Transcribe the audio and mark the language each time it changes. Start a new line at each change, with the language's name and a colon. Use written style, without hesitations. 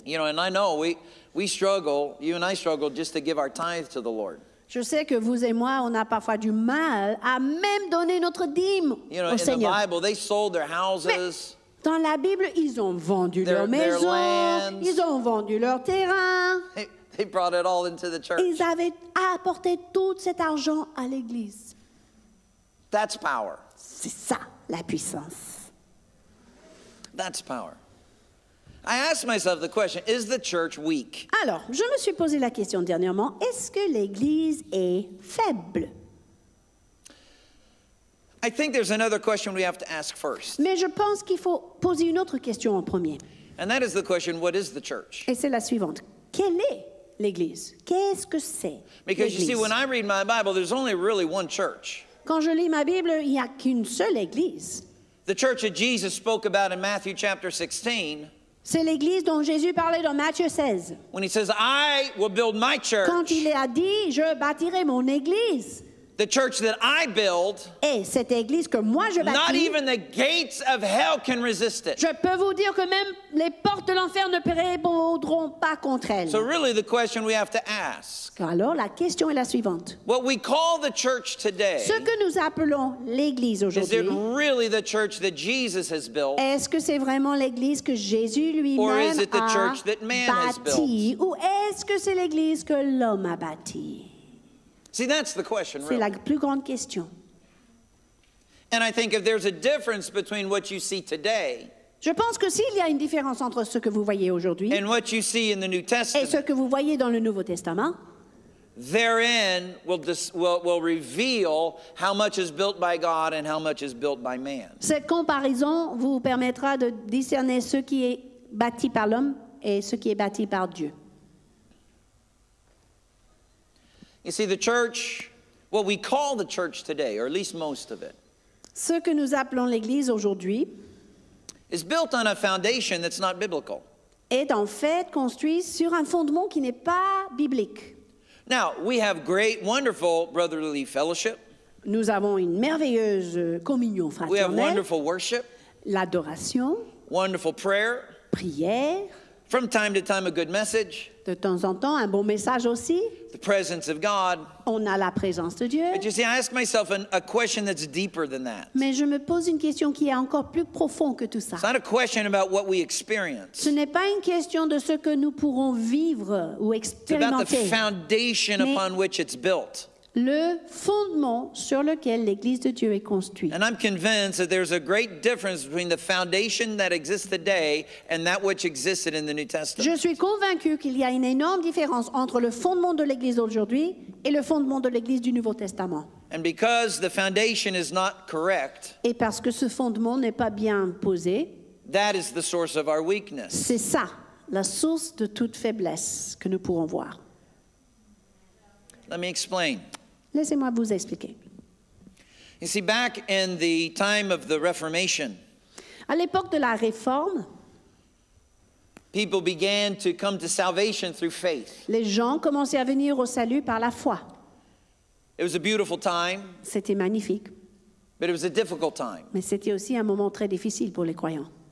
English: You know, and I know we struggle, you and I struggle just to give our tithe to the Lord.
French: Je sais que vous et moi, on a parfois du mal à même donner notre dîme
English: you know,
French: au
English: in
French: Seigneur.
English: The Bible, they sold their houses,
French: mais dans la Bible, ils ont vendu leur maison, ils ont vendu leur terrain.
English: They brought it all into the church.
French: Ils avaient apporté tout cet argent à l'église.
English: That's power.
French: C'est ça, la puissance.
English: That's power. I asked myself the question, is the church weak?
French: Alors, je me suis posé la question dernièrement, est-ce que l'église est faible?
English: I think there's another question we have to ask first.
French: Mais je pense qu'il faut poser une autre question en premier.
English: And that is the question, what is the church?
French: Et c'est la suivante. Quelle est l'église? Qu'est-ce que c'est?
English: Because you see, when I read my Bible, there's only really one church.
French: Quand je lis ma Bible, il n'y a qu'une seule église.
English: The church that Jesus spoke about in Matthew chapter 16.
French: C'est l'église dont Jésus parlait dans Matthieu 16.
English: When he says, I will build my church.
French: Quand il a dit, je bâtirai mon église.
English: The church that I build.
French: Et cette église que moi je bâtis.
English: Not even the gates of hell can resist it.
French: Je peux vous dire que même les portes de l'enfer ne répondront pas contre elle.
English: So really the question we have to ask.
French: Alors la question est la suivante.
English: What we call the church today.
French: Ce que nous appelons l'église aujourd'hui.
English: Is it really the church that Jesus has built?
French: Est-ce que c'est vraiment l'église que Jésus lui-même a bâti?
English: Or is it the church that man has built?
French: Ou est-ce que c'est l'église que l'homme a bâti?
English: See, that's the question,
French: c'est
English: really.
French: La plus grande question.
English: And I think if there's a difference between what you see today,
French: je pense que s'il y a une différence entre ce que vous voyez aujourd'hui
English: and what you see in the New Testament,
French: et ce que vous voyez dans le Nouveau Testament,
English: therein will reveal how much is built by God and how much is built by man.
French: Cette comparaison vous permettra de discerner ce qui est bâti par l'homme et ce qui est bâti par Dieu.
English: You see, the church, what we call the church today, or at least most of it,
French: ce que nous appelons l'église aujourd'hui,
English: is built on a foundation that's not biblical.
French: Est en fait construit sur un fondement qui n'est pas biblique.
English: Now, we have great, wonderful brotherly fellowship.
French: Nous avons une merveilleuse communion fraternelle.
English: We have wonderful worship.
French: L'adoration.
English: Wonderful prayer.
French: Prière.
English: From time to time, a good message.
French: De temps en temps, un bon message aussi.
English: The presence of God.
French: On a la présence de Dieu.
English: But you see, I ask myself a question that's deeper than that.
French: Mais je me pose une question qui est encore plus profonde que tout ça.
English: It's not a question about what we experience.
French: Ce n'est pas une question de ce que nous pourrons vivre ou expérimenter.
English: It's about the foundation upon which it's built.
French: Le fondement sur lequel l'Église de Dieu est construite.
English: And I'm convinced that there's a great difference between the foundation that exists today and that which existed in the New Testament.
French: Je suis convaincu qu'il y a une énorme différence entre le fondement de l'Église d'aujourd'hui et le fondement de l'Église du Nouveau Testament.
English: And because the foundation is not correct,
French: et parce que ce fondement n'est pas bien posé,
English: that is the source of our weakness.
French: C'est ça, la source de toute faiblesse que nous pourrons voir.
English: Let me explain.
French: Laissez-moi vous expliquer.
English: You see, back in the time of the Reformation,
French: à l'époque de la Réforme,
English: people began to come to salvation through faith.
French: Les gens commençaient à venir au salut par la foi.
English: It was a beautiful time.
French: C'était magnifique.
English: But it was a difficult time.
French: Mais c'était aussi un moment très difficile pour les croyants.